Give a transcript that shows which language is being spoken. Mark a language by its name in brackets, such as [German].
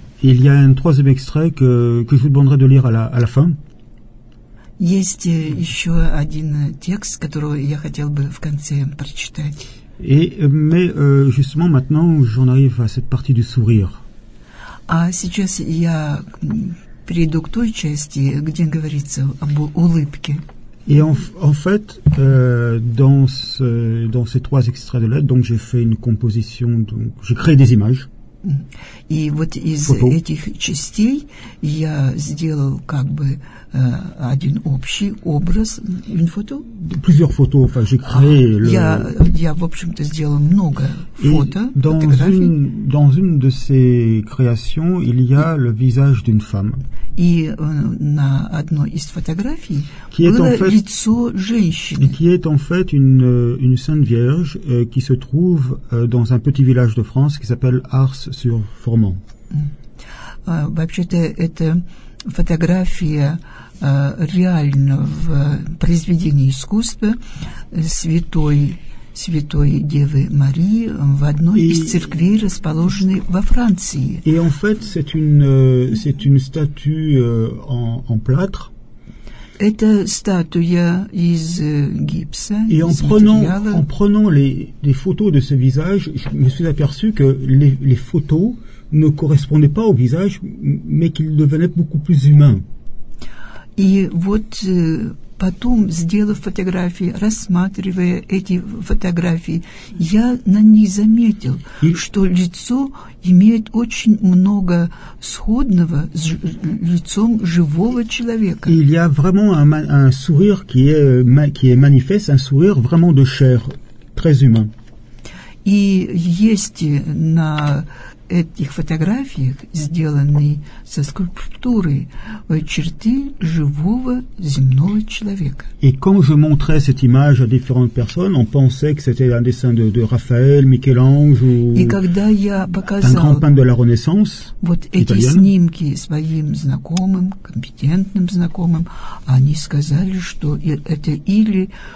[French] Il y a un troisième extrait que je vous demanderai de lire à la fin. [Russian] Есть еще один текст, который я хотел бы в конце прочитать. [French] Mais justement, maintenant, j'en arrive à cette partie du sourire. [Russian] А сейчас я перейду к той части, где говорится об улыбке. [French] Et en fait, dans ces trois extraits de lettres, donc j'ai fait une composition, donc j'ai créé des images. [Russian] И вот из [French] photos. [Russian] Этих частей я сделал как бы один общий образ, [French] une photo. Plusieurs photos, enfin j'ai créé le. [Russian] Я в общем-то сделал много фото, фотографий. [French] Dans une de ces créations, il y a le visage d'une femme. [Russian] И на одной из фотографий было лицо женщины. [French] Qui est en fait une sainte vierge qui se trouve dans un petit village de France qui s'appelle Ars-sur-Formans. [Russian] Вообще-то это фотография реального произведения искусства святой Девы Марии в одной из церквей, расположенной во Франции. [French] Et en fait, c'est une statue en плâtre. [Russian] Это статуя из гипса. [French] Et en prenant les photos de ce visage, je me suis aperçu que les photos ne correspondaient pas au visage, mais qu'il devenait beaucoup plus humain. [Russian] И вот потом, сделав фотографии, рассматривая эти фотографии, я на них заметил, что лицо имеет очень много сходного с лицом живого человека. [French] Il y a vraiment un sourire qui est manifeste, un sourire vraiment de chair, très humain. [Russian] И есть на этих фотографиях, сделанные со скульптурой, черты живого земного человека. [French] Et quand je montrais cette image à différentes personnes, on pensait que c'était un dessin de Raphaël, Michel-Ange ou un grand peintre de la Renaissance. [Russian] Вот [French] italien. [Russian] Эти снимки своим знакомым, компетентным знакомым, они сказали, что это или